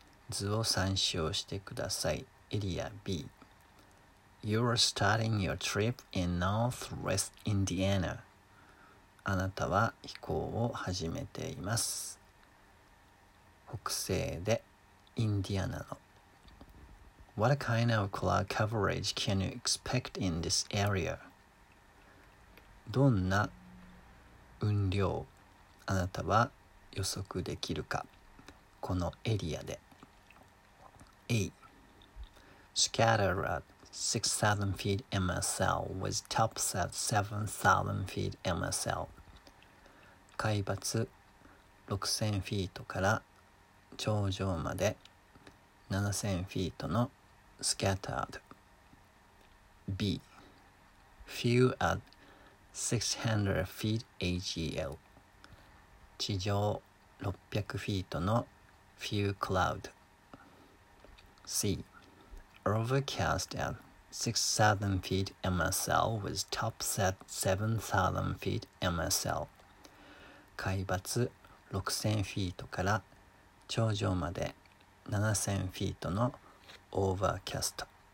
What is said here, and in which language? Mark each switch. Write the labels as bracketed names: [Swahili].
[Japanese] 図を参照してください。 [English] エリア B. You're starting your trip in northwest Indiana. [Japanese] あなたは飛行を始めています。北西でインディアナの。 [English] What kind of cloud coverage can you expect in this area? [Japanese] どんな雲量あなたは予測できるか、このエリアで。 [English] A. Scattered at 6,000 feet MSL with tops at 7,000 feet MSL. [Japanese] 海抜6,000フィートから頂上まで7,000フィートの Scattered. B. [English] Few at 600 feet AGL. [Japanese] 地上600フィートの Few Cloud. C. [English] Overcast at 6,000 feet MSL with tops at 7,000 feet MSL. [Japanese] 海抜6,000フィートから頂上まで7,000フィートのオーバーキャスト。